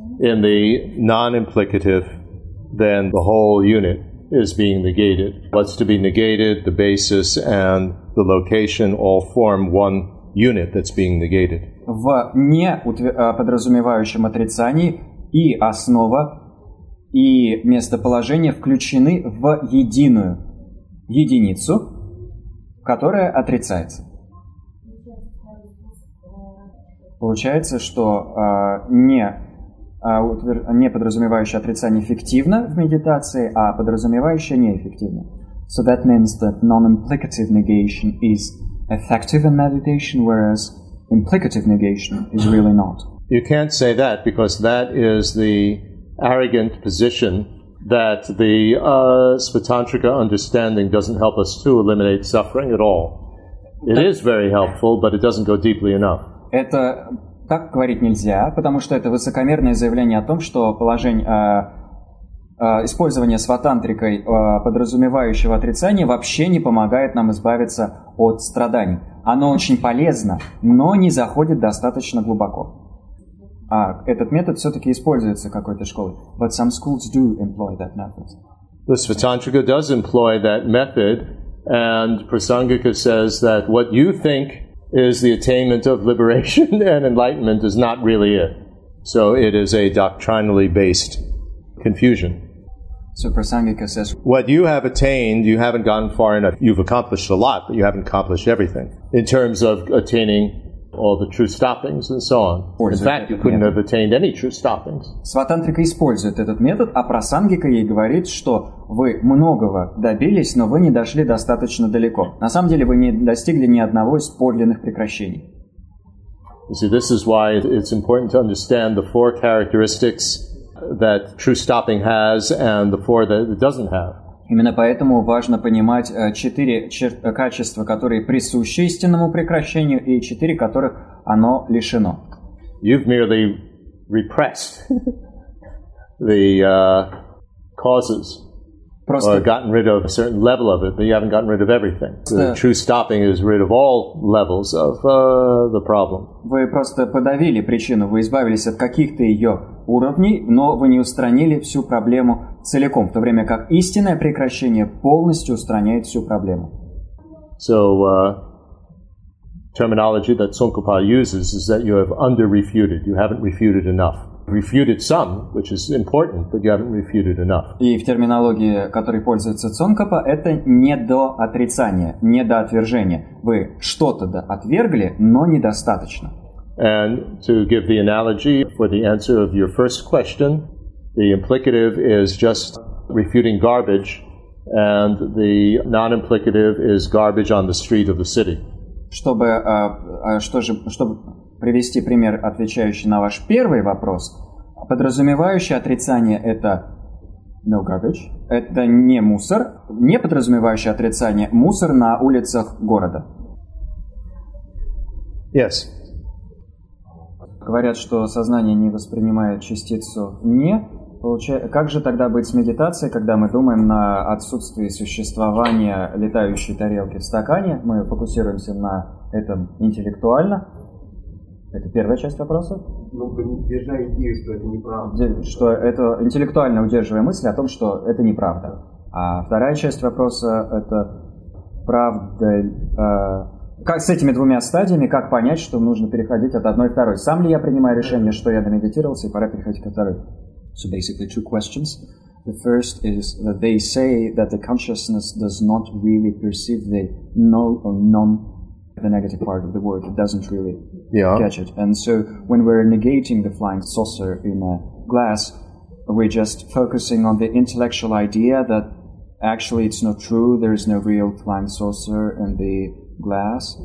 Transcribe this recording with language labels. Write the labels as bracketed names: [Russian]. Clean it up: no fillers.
[English] In the non-implicative, then the whole unit is being negated. What's to be negated, the basis and the location all form one unit that's being negated. [Russian] В не подразумевающем отрицании и основа и местоположение включены в единую единицу, которая отрицается. Получается, что не подразумевающее отрицание эффективно в медитации, а подразумевающее неэффективно. [English] So that means that non-implicative negation is effective in meditation, whereas implicative negation is really not. You can't say that because that is the arrogant position that the Svatantrika understanding doesn't help us to eliminate suffering at all. It is very helpful, but it doesn't go deeply enough. [Russian] Это так говорить нельзя, потому что это высокомерное заявление о том, что положение использование Сватантрикой подразумевающего отрицания вообще не помогает нам избавиться от страданий. Оно очень полезно, но не заходит достаточно глубоко. А этот метод все-таки используется какой-то школой. [English] But some schools do employ that method. The Svatantrika does employ that method, and Prasangika says that what you think is the attainment of liberation and enlightenment is not really it. So it is a doctrinally based confusion. So Prasangika says, what you have attained, you haven't gone far enough. You've accomplished a lot, but you haven't accomplished everything in terms of attaining all the true stoppings and so on. In fact, you couldn't have attained any true stoppings. [Russian] Сватантрика использует этот метод, а Прасангика ей говорит, что вы многого добились, но вы не дошли достаточно далеко. На самом деле, вы не достигли ни одного из подлинных прекращений. [English] You see, this is why it's important to understand the four characteristics that true stopping has and the four that it doesn't have. [Russian] Именно поэтому важно понимать четыре качества, которые присущи истинному прекращению, и четыре, которых оно лишено. [English] You've merely repressed the causes [Russian] просто... [English] or gotten rid of a certain level of it, but you haven't gotten rid of everything. The true stopping is rid of all levels of the problem. [Russian] Вы просто подавили причину, вы избавились от каких-то ее уровней, но вы не устранили всю проблему целиком, в то время как истинное прекращение полностью устраняет всю проблему. [English] So, terminology that Tsongkhapa uses is that you have under-refuted, you haven't refuted enough. Refuted some, which is important, but you haven't refuted enough. [Russian] И в терминологии, которой пользуется Цонкапа, это недоотрицание, недоотвержение. Вы что-то да отвергли, но недостаточно. [English] And to give the analogy for the answer of your first question, the implicative is just refuting garbage, and the non-implicative is garbage on the street of the city. [Russian] Чтобы, чтобы привести пример, отвечающий на ваш первый вопрос, подразумевающее отрицание — это [English] no garbage, [Russian] это не мусор, не подразумевающее отрицание — мусор на улицах города. [English] Yes. [Russian] Говорят, что сознание не воспринимает частицу «не». Как же тогда быть с медитацией, когда мы думаем на отсутствие существования летающей тарелки в стакане? Мы фокусируемся на этом интеллектуально. Это первая часть вопроса. Ну, держая идею, что это неправда. Что это интеллектуально удерживая мысль о том, что это неправда. А вторая часть вопроса — это правда... Как с этими двумя стадиями, как понять, что нужно переходить от одной к второй? Сам ли я принимаю решение, что я домедитировался, и пора переходить ко второй? [English] So basically two questions. The first is that they say that the consciousness does not really perceive the no or non, the negative part of the word. It doesn't really catch it. And so when we're negating the flying saucer in a glass, we're just focusing on the intellectual idea that actually it's not true, there is no real flying saucer in the glass.